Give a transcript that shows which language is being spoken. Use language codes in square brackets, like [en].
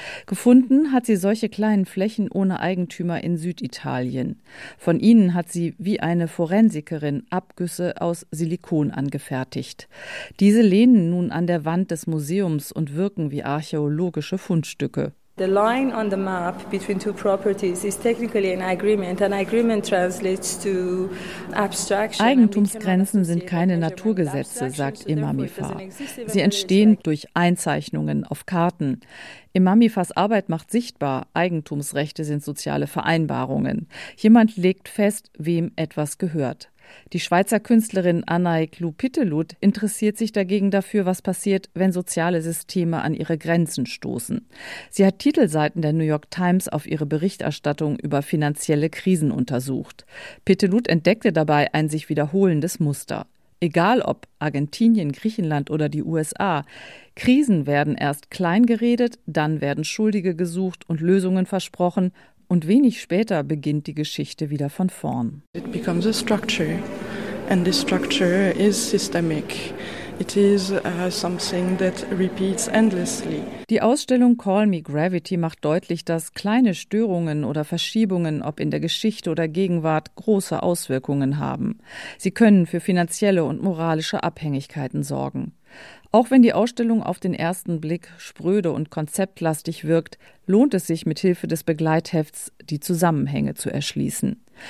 [de] Gefunden hat sie solche kleinen Flächen ohne Eigentümer in Süditalien. Von ihnen hat sie wie eine Forensikerin Abgüsse aus Silikon angefertigt. Diese lehnen nun an der Wand des Museums und wirken wie archäologische Fundstücke. [en] The line on the map between two properties is technically an agreement. An agreement translates to abstraction. [de] Eigentumsgrenzen sind keine Naturgesetze, sagt Imamifa. Sie entstehen durch Einzeichnungen auf Karten. Imamifas Arbeit macht sichtbar, Eigentumsrechte sind soziale Vereinbarungen. Jemand legt fest, wem etwas gehört. Die Schweizer Künstlerin Anaïk Lupitelut interessiert sich dagegen dafür, was passiert, wenn soziale Systeme an ihre Grenzen stoßen. Sie hat Titelseiten der New York Times auf ihre Berichterstattung über finanzielle Krisen untersucht. Pitelut entdeckte dabei ein sich wiederholendes Muster. Egal ob Argentinien, Griechenland oder die USA, Krisen werden erst klein geredet, dann werden Schuldige gesucht und Lösungen versprochen. Und wenig später beginnt die Geschichte wieder von vorn. [en] It becomes a structure, and this structure is systemic. It is something that repeats endlessly. [de] Die Ausstellung Call Me Gravity macht deutlich, dass kleine Störungen oder Verschiebungen, ob in der Geschichte oder Gegenwart, große Auswirkungen haben. Sie können für finanzielle und moralische Abhängigkeiten sorgen. Auch wenn die Ausstellung auf den ersten Blick spröde und konzeptlastig wirkt, lohnt es sich, mithilfe des Begleithefts die Zusammenhänge zu erschließen.